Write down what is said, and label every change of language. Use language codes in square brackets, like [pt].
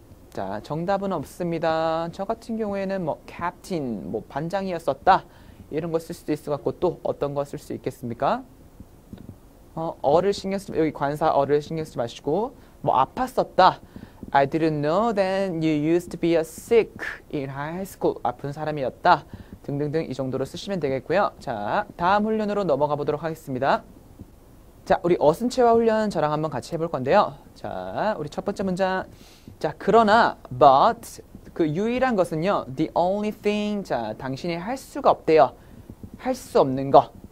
[ko] 자, 정답은 없습니다. 저 같은 경우에는 뭐 캡틴, 뭐 반장이었었다. 이런 거 쓸 수도 있을 것 같고 또 어떤 거 쓸 수 있겠습니까? 어를 신경 쓰지, 여기 관사 어를 신경 쓰지 마시고 뭐 아팠었다. [en] I didn't know that you used to be a sick in high school. [ko] 아픈 사람이었다. 등등등 이 정도로 쓰시면 되겠고요. 자, 다음 훈련으로 넘어가 보도록 하겠습니다. 자, 우리 어순체화 훈련 저랑 한번 같이 해볼 건데요. 자, 우리 첫 번째 문장. 자, 그러나, but, 그 유일한 것은요. [en] The only thing, [ko] 자, 당신이 할 수가 없대요. 할 수 없는 거.